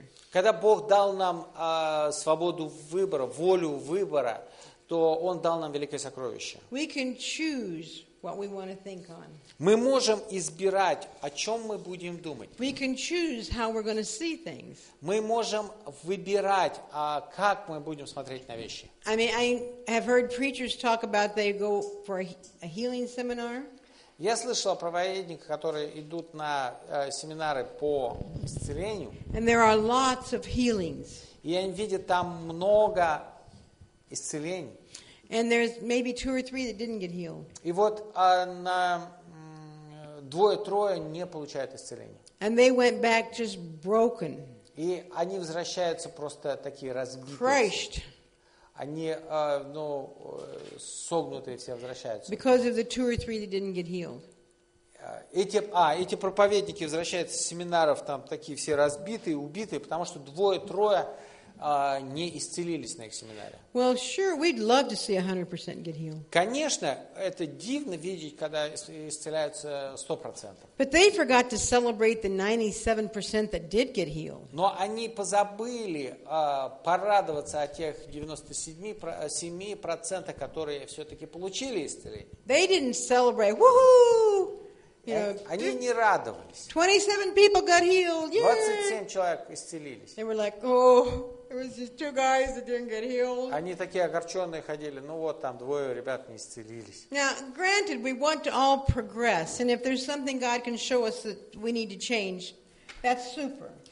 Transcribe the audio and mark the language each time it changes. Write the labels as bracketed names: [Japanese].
[Russian] Когда Бог дал нам свободу выбора, волю выбора, то Он дал нам великое сокровище. [English] We can choose what we want to think on. [Russian] Мы можем избирать, о чем мы будем думать. [English] We can choose how we're going to see things. [Russian] Мы можем выбирать, как мы будем смотреть на вещи. [English] I mean, I have heard preachers talk about they go for a healing seminar. [Russian] Я слышал о проповедниках, которые идут на семинары по исцелению. [English] And there are lots of healings. [Russian] И они видят там много исцелений. [English] And there's maybe two or three that didn't get healed. [Russian] И вот на двое-трое не получают исцеления. [English] And they went back just broken. [Russian] И они возвращаются просто такие разбитые. [English] Crushed. [Russian] Они, ну, согнутые все возвращаются. [English] Because of the two or three that didn't get healed. [Russian] Эти проповедники возвращаются с семинаров там такие все разбитые, убитые, потому что двое-трое не исцелились на их семинаре. [English] Well, sure, we'd love to see 100% get healed. [Russian] Конечно, это дивно видеть, когда исцеляются 100%. [English] But they forgot to celebrate the 97% that did get healed. [Russian] Но они позабыли порадоваться о тех 97%, которые все-таки получили исцеление. [English] They didn't celebrate. Woo-hoo! [Russian] Они не радовались. [English] 27 people got healed. Yeah. [Russian] 27 человек исцелились. [English] They were like, oh. It was just two guys that didn't get healed. [Russian] Они такие огорченные ходили. Ну вот там двое ребят не исцелились. [English] Now, granted, we want to all progress, and if there's something God can show us that we need to change, that's super.